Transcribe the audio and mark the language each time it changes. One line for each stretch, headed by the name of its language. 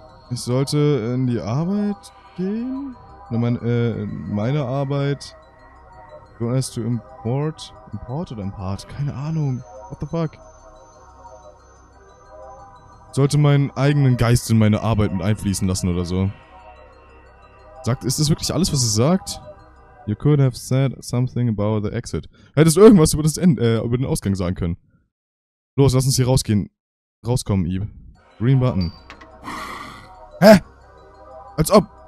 German: Ich sollte in die Arbeit gehen? Oder meine Arbeit? Du hast
English: to import?
German: Import oder impart? Keine Ahnung.
English: What the fuck?
German: Ich sollte meinen eigenen Geist in meine Arbeit mit einfließen lassen oder so. Ist das wirklich alles, was es sagt?
English: You could have said something about the exit.
German: Hättest du irgendwas über das über den Ausgang sagen können? Los, lass uns hier rausgehen. Rauskommen, Eve. Green Button. Hä? Als ob!